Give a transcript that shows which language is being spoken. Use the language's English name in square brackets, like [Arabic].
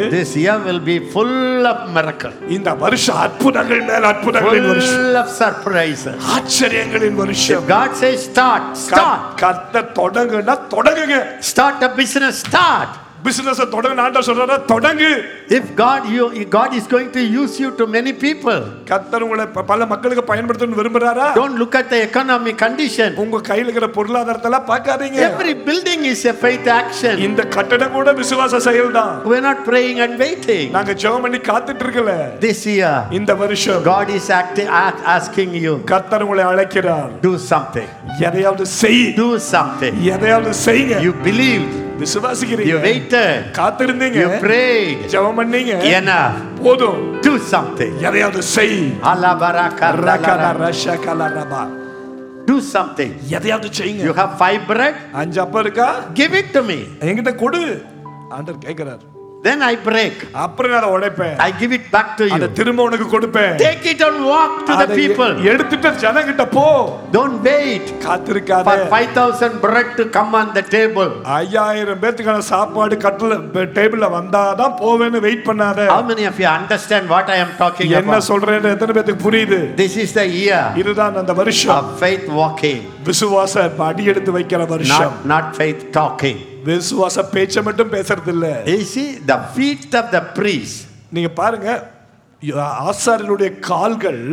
[English] this year will be full of miracles. [Tamil] இந்த வருஷம் அற்புதங்கள் மேல் அற்புதங்களின் வருஷம். [English] Full of surprises. [Tamil] ஆச்சரியங்களின் வருஷம். [English] If God says start, start. [Tamil] கர்த்தர் தொடங்குனா தொடங்குங்க. [English] Start a business, start. [Tamil] பிசினஸ்ஸ தொடங்கணும்னு சொல்றாரு தொடங்கு. [English] If God God is going to use you to many people. [Tamil] கர்த்தர் உங்களை பல மக்களுக்கு பயன்படுத்தணும் விரும்புறாரா? [English] Don't look at the economic condition. [Tamil] உங்க கையில இருக்கிற பொருளாதாரத்தை பார்க்காதீங்க. [English] Every building is a faith action. [Tamil] இந்த கட்டடம் கூட விசுவாச செயல்தான். [English] We're not praying and waiting. [Tamil] நாங்க ஜெபம் பண்ணி காத்துட்டு இருக்கல. [English] This year. [Tamil] இந்த வருஷம். [English] God is asking you. [Tamil] கர்த்தர் உங்களை அழைக்கிறார். [English] Do something. [Tamil] எதையாவது செய். [English] Do something. [Tamil] எதையாவது செய்ங்க. [English] You believed. [Tamil] விசுவாசிக்கிறீங்க. [English] You waited. [Tamil] காத்திருந்தீங்க. [English] You prayed. [Tamil] ஜெபம் பண்ணீங்க. ஏனா போதும். [English] Do something. [Tamil] எதையாவது செய். அல்லா பரக்கா ரக்கா ரஷக்கா ரபா. [English] Do something. [Tamil] எதையாவது செய்ங்க. [English] You have 5 bread. [Tamil] 5 அப்பர்க்கா. [English] Give it to me. [Tamil] என்கிட்ட கொடு. ஆண்டவர் கேக்குறார். [English] Then I break. [Tamil] அப்புறம் அதை உடைப்பேன். [English] I give it back to you. [Tamil] அதை திரும்ப உனக்கு கொடுப்பேன். [English] Take it and walk to the people. [Tamil] எடுத்துட்டு ஜனங்கிட்ட போ. [English] Don't wait. [Tamil] காத்திருக்காத. [English] For 5000 bread to come on the table. [Tamil] 5000 பேத்துக்கான சாப்பாடு கட்டல டேபிள்ல வந்தாதான் போவேன்னு வெயிட் பண்ணாத. [English] How many of you understand what I am talking about? [Tamil] என்ன சொல்றேன்னு எத்தனை பேத்துக்கு புரியுது? [English] This is the year. [Tamil] இதுதான் அந்த வருஷம். [English] Of faith walking. [Tamil] விசுவாச படி எடுத்து வைக்கிற வருஷம். [English] Not faith talking. [Tamil] விசுவாச பேச்ச மட்டும் பேசறது இல்ல. [English] See the feet of the priest. [Tamil] நீங்க பாருங்க ஆசாரியளுடைய கால்கள்.